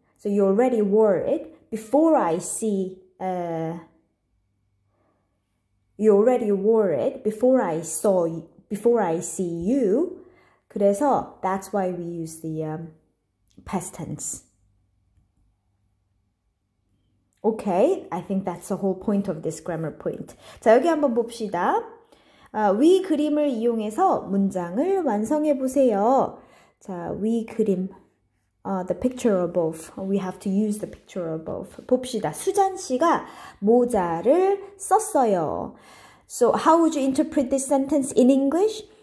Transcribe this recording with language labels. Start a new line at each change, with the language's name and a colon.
English: So you already wore it before I see you already wore it before I saw you, before I see you.
Korean: 그래서
English: that's why we use the past tense. Okay, I think that's the whole point of this grammar point.
Korean: 자, 여기 한번 봅시다. 위 그림을 이용해서 문장을 완성해 보세요. 자, 위 그림,
English: the picture above. We have to use the picture above.
Korean: 봅시다. 수잔 씨가 모자를 썼어요.
English: So how would you interpret this sentence in English?